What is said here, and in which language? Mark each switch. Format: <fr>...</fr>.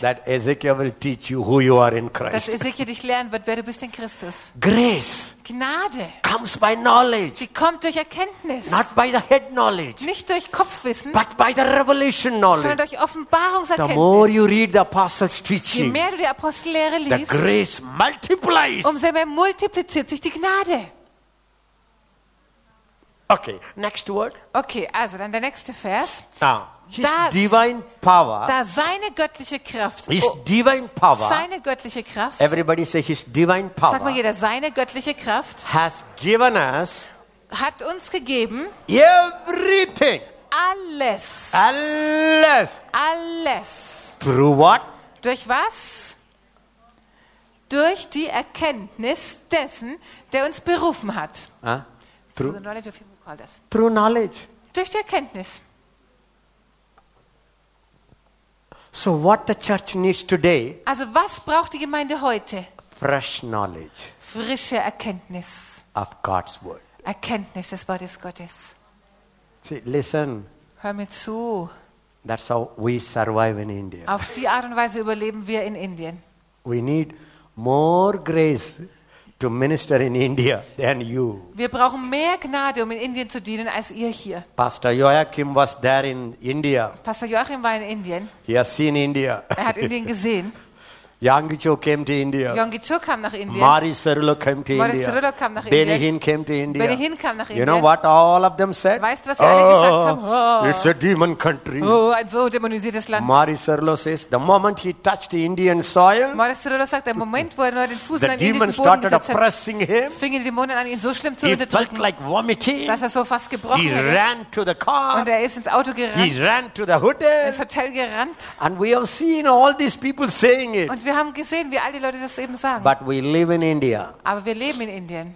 <en>That Ezekiel will teach you who you are in Christ.</en> <de>Dass Ezekiel dich lernen wird, wer du bist in Christus.</de> <en>Grace.</en> <de>Gnade.</de> <en>Comes by knowledge.</en> <de>Die kommt durch Erkenntnis.</de> <en>Not by the head knowledge.</en> <de>Nicht durch Kopfwissen.</de> <en>But by the revelation knowledge.</en> <de>Sondern durch Offenbarungserkenntnis.</de> <en>The more you read the apostles' teaching.</en> <de>Je mehr du die Apostellehre liest.</de> <en>The grace multiplies.</en> <de>Umso mehr multipliziert sich die Gnade.</de> <en>Okay, next word.</en> <de>Okay, also dann der nächste Vers.</de> <en>Now, his divine power.</en> <de>Da seine göttliche Kraft.</de> <en>His divine power.</en> <de>Seine göttliche Kraft.</de> <en>Everybody say his divine power.</en> <de>Sag mal jeder, seine göttliche Kraft.</de> <en>Has given us.</en> <de>Hat uns gegeben.</de> <en>Everything.</en> <de>Alles. Alles. Alles.</de> <en>Through what?</en> <de>Durch was? Durch die Erkenntnis dessen, der uns berufen hat.</de> <en>Through the knowledge of him. Through knowledge.</en> <de>Durch die Erkenntnis.</de> <en>So what the church needs today?</en> <de>Also was braucht die Gemeinde heute?</de> <en>Fresh knowledge.</en> <de>Frische Erkenntnis.</de> <en>Of God's word.</en> <de>Erkenntnis des Wortes Gottes.</de> <en>See, listen.</en> <de>Hör mir zu.</de> <en>That's how we survive in India.</en> <de>Auf die Art und Weise überleben wir in Indien.</de> <en>We need more grace to minister in India than you.</en> <de>Wir brauchen mehr Gnade, um in Indien zu dienen, als ihr hier.</de> <en>Pastor Joachim was there in India.</en> <de>Pastor Joachim war in Indien.</de> <en>He has seen India.</en> <de>Er hat Indien gesehen.</de> <en>Yonggi Cho came to India.</en> <de>Yonggi Cho kam nach Indien.</de> <en>Mari Sirulo came to India.</en> <de>Mari Sirulo kam nach</de> <en>Benihin Benihin came to India.</en> <de>Benihin kam nach</de> <en>you</en> <de>Indien.</de> <en>You know what all of them said?</en> <de>Weißt du, was sie alle gesagt haben?</de> <en>Oh, it's a demon country.</en> <de>Oh, ein so dämonisiertes Land.</de> <en>Mari Sirulo says, the moment he touched the Indian soil,</en> <de>Mari Sirulo sagt, der Moment, wo er nur den Fuß in den indischen Boden gesetzt hat,</de> <en>oppressing him.</en> <de>Fingen die Dämonen an, ihn so schlimm zu unterdrücken.</de> <en>He felt like vomiting.</en> <de>Dass er so fast gebrochen ist.</de> <en>He ran to the car.</en> <de>Und er ist ins Auto gerannt.</de> <en>He ran to the hotel.</en> <de>Ins Hotel gerannt.</de> <en>And we have seen all these people saying it.</en> <de>Wir haben gesehen, wie all die Leute das eben sagen.</de> <en>But we live in India.</en> <de>Aber wir leben in Indien.</de>